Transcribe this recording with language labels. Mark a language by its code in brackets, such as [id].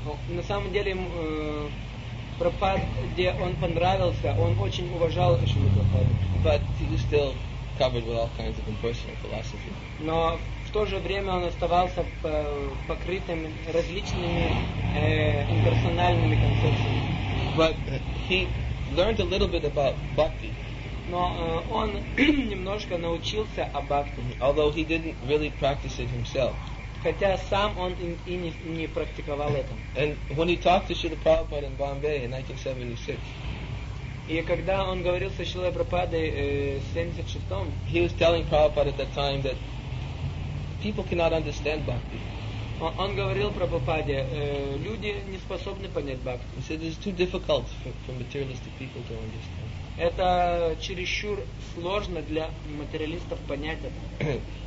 [ru] На самом деле Прабхупад, где он понравился, он очень уважал Шрилу Прабхупаду. [en] But he was still covered with all kinds of impersonal philosophy. [ru] Но в то же время он оставался покрытым различными имперсональными концепциями. [en] But he learned a little bit about bhakti. [ru] Но он немножко научился о бхакти. [en] Although he didn't really practice it himself. [ru] Хотя сам он и не практиковал это. [en] And when he talked to Srila Prabhupada in Bombay in 1976. [ru] И когда он говорил со Шрилой Прабхупадой в 76-м, [en] he was telling Prabhupada at that time that people cannot understand bhakti. [ru] Он говорил Прабхупаде, люди не способны понять бхакти. [en] He said it is too difficult for materialistic people to understand. [ru] Это чересчур сложно для материалистов понять это.